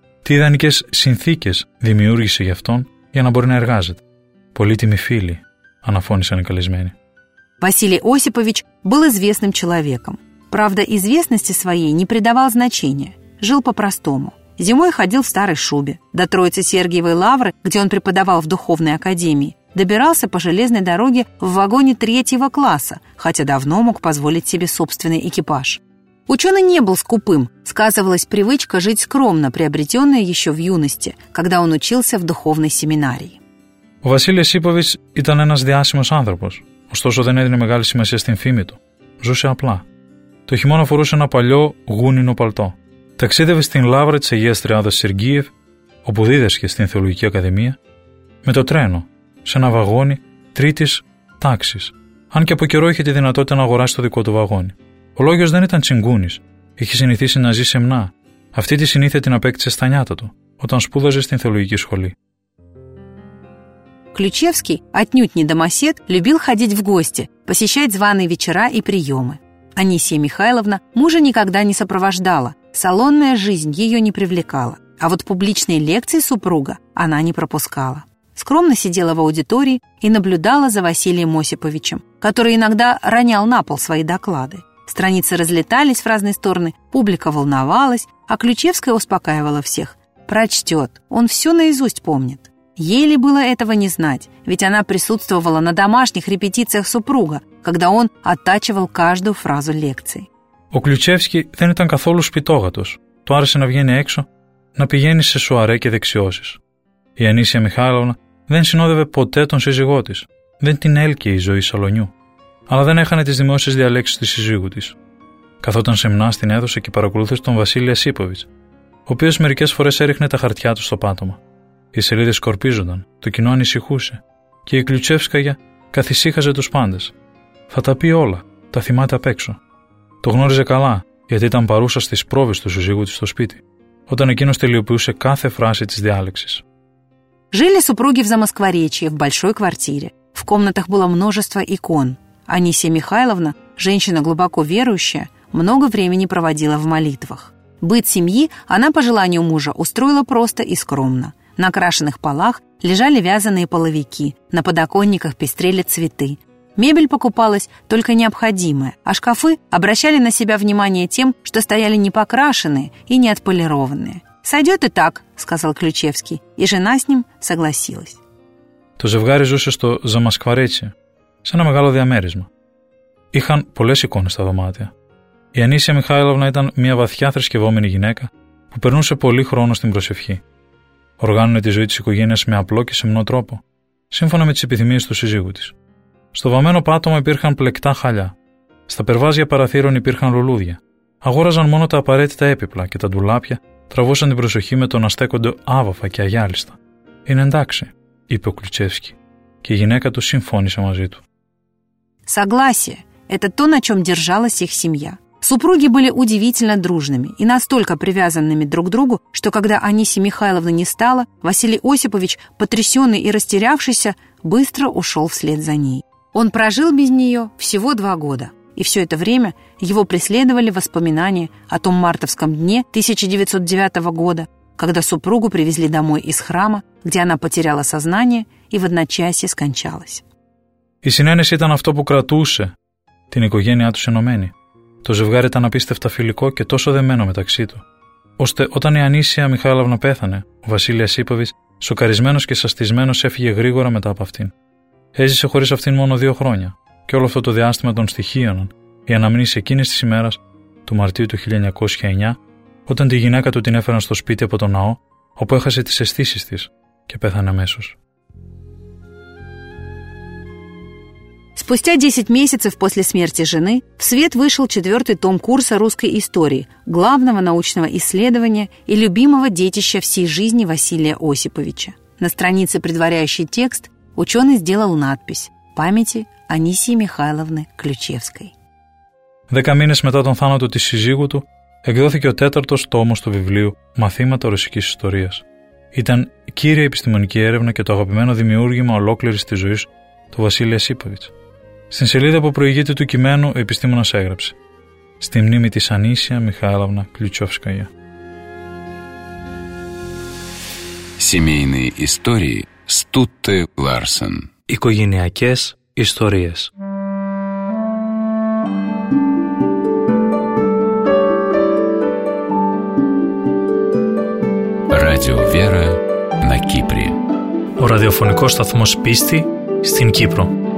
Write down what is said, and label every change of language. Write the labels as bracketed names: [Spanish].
[Greek] Τι ιδανικές συνθήκες δημιούργησε γι' αυτόν για να μπορεί να εργάζεται. Πολύτιμοι φίλοι, αναφώνησαν οι καλεσμένοι. [Russian] Βασίλη Οσιποβιτς был известным человеком. Правда, известности своей не придавал значения. Жил по-простому. Зимой ходил в старой шубе. До Троице-Сергиевой лавры, где он преподавал в духовной академии, добирался по железной дороге в вагоне 3-го класса, хотя давно мог позволить себе собственный экипаж. Ученый не был скупым. Сказывалась привычка жить скромно, приобретенная еще в юности, когда он учился в духовной семинарии. [Greek] Ο Василий Осипович ήταν ένας διάσημος άνθρωπος. Ωστόσο, δεν έδινε μεγάλη σημασία στην φήμη του. Ζούσε απλά. Το χειμώνα φορούσε ένα παλιό γούνινο παλτό. Ταξίδευε στην Λάβρα της Αγίας Τριάδας Σεργίεφ, όπου δίδασκε στην Θεολογική Ακαδημία, με το τρένο, σε ένα βαγόνι 3ης τάξης, αν και από καιρό είχε τη δυνατότητα να αγοράσει το δικό του βαγόνι. Ο λόγιος δεν ήταν τσιγκούνης, Είχε συνηθίσει να ζει σεμνά. Αυτή τη συνήθεια την απέκτησε στα νιάτα του, όταν σπούδαζε στην θεολογική σχολή. [Russian] Ключевский, отнюдь не домосед, любил ходить в гости, посещать званые вечера и приемы. Анисия Михайловна мужа никогда не сопровождала, салонная жизнь ее не привлекала, а вот публичные лекции супруга она не пропускала. Скромно сидела в аудитории и наблюдала за Василием Осиповичем, который иногда ронял на пол свои доклады. Страницы разлетались в разные стороны, публика волновалась, а Ключевская успокаивала всех. Прочтет, он все наизусть помнит. Ей ли было этого не знать, ведь она присутствовала на домашних репетициях супруга, когда он оттачивал каждую фразу лекции. [Greek] Ο Ключевский δεν ήταν καθόλου σπιτόγατος. Του άρεσε να βγαίνει έξω, να πηγαίνει σε σουαρέ και δεξιώσεις. Η Ανίσια Μιχάλωνα δεν συνόδευε ποτέ τον σύζυγό της. Δεν την έλκει η ζωή σαλονιού. Αλλά δεν έχανε τις δημόσιες διαλέξεις της σύζυγου της. Καθόταν σεμνά στην αίθουσα και παρακολούθησε τον Βασίλη Ασίποβιτς, ο οποίος μερικές φορές έριχνε τα χαρτιά του στο πάτωμα. Οι σελίδες σκορπίζονταν, το κοινό ανησυχούσε και η Κλουτσεύσκαγια καθησύχαζε τους πάντες. Θα τα πει όλα, τα θυμάται απ' έξω. Το γνώριζε καλά, γιατί ήταν παρούσα στις πρόβες του σύζυγου της στο σπίτι, όταν εκείνος τελειοποιούσε κάθε φράση της διάλεξης. [Russian] Жили супруги в Замоскворечье, в большой квартире. В комнатах было множество икон. Анисия Михайловна, женщина глубоко верующая, много времени проводила в молитвах. Быт семьи она по желанию мужа устроила просто и скромно. На крашеных полах лежали вязаные половики, на подоконниках пестрели цветы. Мебель покупалась только необходимая, а шкафы обращали на себя внимание тем, что стояли непокрашенные и не отполированные. «Сойдет и так», — сказал Ключевский, и жена с ним согласилась. [Greek] Το ζευγάρι ζούσε στο Замоскворечье, σε ένα μεγάλο διαμέρισμα. Είχαν πολλές εικόνες στα δωμάτια. Η Ανίσια Μιχάηλωνα ήταν μια βαθιά θρησκευόμενη γυναίκα που περνούσε πολύ χρόνο στην προσευχή. Οργάνωνε τη ζωή της οικογένειας με απλό και σεμνό τρόπο, σύμφωνα με τις επιθυμίες του σύζυγου της. Στο βαμμένο πάτωμα υπήρχαν πλεκτά χαλιά. Στα περβάζια παραθύρων υπήρχαν λουλούδια. Αγόραζαν μόνο τα απαραίτητα έπιπλα και τα ντουλάπια τραβούσαν την προσοχή με το να στέκονται άβαφα και αγιάλιστα. «Είναι εντάξει», είπε ο Ключевский, και η γυναίκα του συμφώνησε μαζί του. [Russian] Согласие – это то, на чем держалась их семья. Супруги были удивительно дружными и настолько привязанными друг к другу, что когда Анисии Михайловны не стало, Василий Осипович, потрясенный и растерявшийся, быстро ушел вслед за ней. Он прожил без нее всего 2 года, и все это время его преследовали воспоминания о том мартовском дне 1909 года, когда супругу привезли домой из храма, где она потеряла сознание и в одночасье скончалась. [Greek] Η συνένεση ήταν αυτό που κρατούσε την οικογένειά τους ενωμένη. Το ζευγάρι ήταν απίστευτα φιλικό και τόσο δεμένο μεταξύ του, ώστε όταν η Ανίσια Μιχάλαυνα πέθανε, ο Βασίλης Ασίποβιτς, σοκαρισμένος και σαστισμένος, έφυγε γρήγορα μετά από αυτήν. Έζησε χωρίς αυτήν μόνο 2 χρόνια, και όλο αυτό το διάστημα τον στοιχείωναν οι αναμνήσεις εκείνης της ημέρας, του Μαρτίου του 1909, όταν τη γυναίκα του την έφεραν στο σπίτι από τον ναό, όπου έχασε τις αισθήσεις της και πέθανε αμέσως. [Russian] Спустя 10 месяцев после смерти жены в свет вышел 4-й том курса русской истории, главного научного исследования и любимого детища всей жизни Василия Осиповича. На странице, предваряющей текст, ученый сделал надпись «Памяти Анисии Михайловны Ключевской». [Greek] 10 мήνες μετά τον θάνατο της σύζυγου του εκδόθηκε ο 4-ος τόμος του βιβλίου «Μαθήματα ρωσικής ιστορίας». Ήταν κύρια επιστημονική έρευνα και το αγαπημένο δημιούργημα ολόκληρης της ζωής του Βασίλη Ασίποβιτς. Στην σελίδα που προηγείται του κειμένου, ο επιστήμονας έγραψε «Στη μνήμη της Ανίσια Μιχάλαυνα Κλουτσόφσκαγια». [Russian] Семейные истории Стутте Ларсен. [Greek] Οικογενειακές ιστορίες. [Russian] Радио Вера на Кипре. [Greek] Ο ραδιοφωνικός σταθμός πίστη στην Κύπρο.